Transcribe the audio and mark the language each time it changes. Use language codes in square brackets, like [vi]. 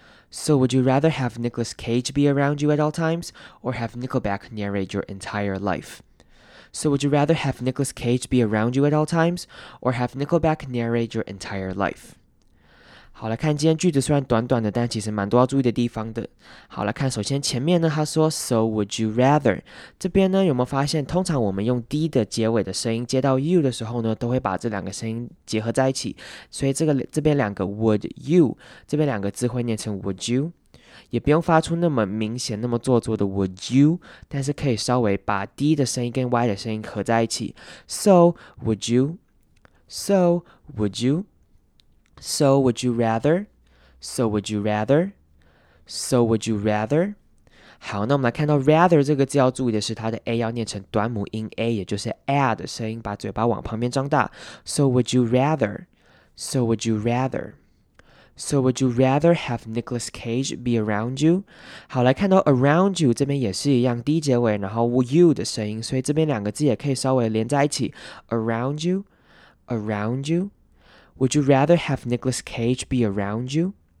[en] So would you rather have Nicolas Cage be around you at all times, or have Nickelback narrate your entire life? So would you rather have Nicolas Cage be around you at all times, or have Nickelback narrate your entire life? [zh] 好，来看今天句子，虽然短短的，但其实蛮多要注意的地方的。好，来看，首先前面呢，他说 [en] So would you rather， [zh] 这边呢有没有发现，通常我们用 D 的结尾的声音接到 you 的时候呢，都会把这两个声音结合在一起，所以这边两个 would you， 这边两个字会念成 would you， 也不用发出那么明显那么做作的 would you， 但是可以稍微把 D 的声音跟 Y 的声音合在一起。 [en] So would you， So would you，So would you rather? So would you rather? So would you rather? [zh] 好，那我们来看到 rather 这个字要注意的是，它的 a 要念成短母音 a， 也就是 a 的声音，把嘴巴往旁边张大。 [en] So would you rather? So would you rather? So would you rather have Nicolas Cage be around you? [zh] 好，来看到 around you 这边也是一样 ，d 结尾，然后 you 的声音，所以这边两个字也可以稍微连在一起 ， [en] around you, around you. Would you rather have Nicolas Cage be around you?